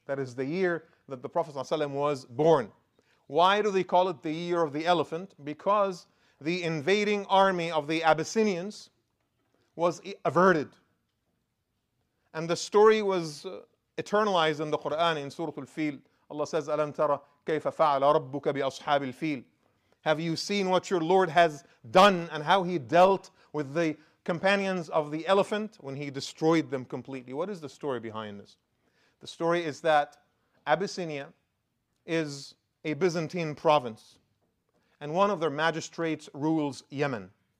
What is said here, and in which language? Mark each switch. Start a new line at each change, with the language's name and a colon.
English: That is the year that the Prophet ﷺ was born. Why do they call it the year of the elephant? Because the invading army of the Abyssinians was averted. And the story was eternalized in the Quran in Surah Al-Fil. Allah says,
Arabic: أَلَمْ تَرَ كَيْفَ فَعَلَ رَبُّكَ بِأَصْحَابِ الْفِيلِ.
English: Have you seen what your Lord has done and how he dealt with the companions of the elephant when he destroyed them completely? What is the story behind this? The story is that Abyssinia is a Byzantine province and one of their magistrates rules Yemen.